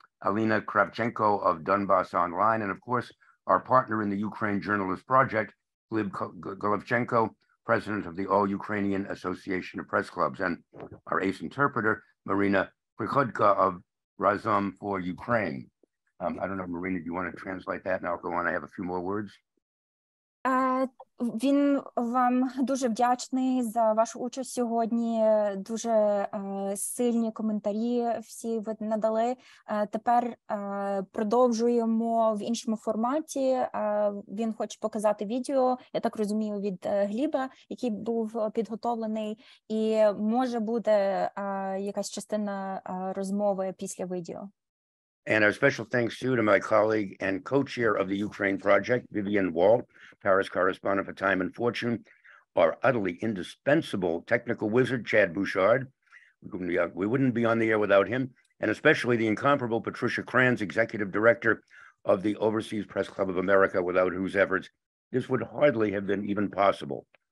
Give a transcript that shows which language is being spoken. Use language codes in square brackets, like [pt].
[en] Alina Kravchenko of Donbass Online, and of course, our partner in the Ukraine Journalist Project, Glib Golovchenko, president of the All-Ukrainian Association of Press Clubs, and our ace interpreter, Marina Prikhodka of Razom for Ukraine. I don't know, Marina, do you want to translate that? And I'll go on. I have a few more words. [uk] Він вам дуже вдячний за вашу участь сьогодні. Дуже сильні коментарі всі ви надали. Тепер продовжуємо в іншому форматі. Він хоче показати відео, я так розумію, від Гліба, який був підготовлений, і може буде якась частина розмови після відео. [en] And a special thanks too to my colleague and co-chair of the Ukraine Project, Vivian Walt, Paris correspondent for Time and Fortune, our utterly indispensable technical wizard, Chad Bouchard. We wouldn't be on the air without him. And especially the incomparable Patricia Kranz, executive director of the Overseas Press Club of America, without whose efforts this would hardly have been even possible.